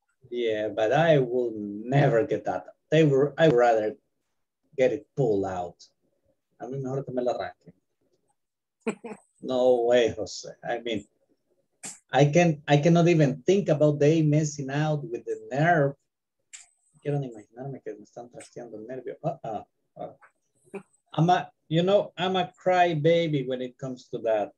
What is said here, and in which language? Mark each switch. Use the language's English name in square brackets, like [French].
[English] Yeah, but I will never get that. They were, I'd rather get it pulled out. [Spanish] A mí mejor que me la arranque. [English] No way, Jose. I mean, I cannot even think about they messing out with the nerve. [Spanish] Quiero ni imaginarme que me están trasteando el nervio. [English] You know, I'm a cry baby when it comes to that.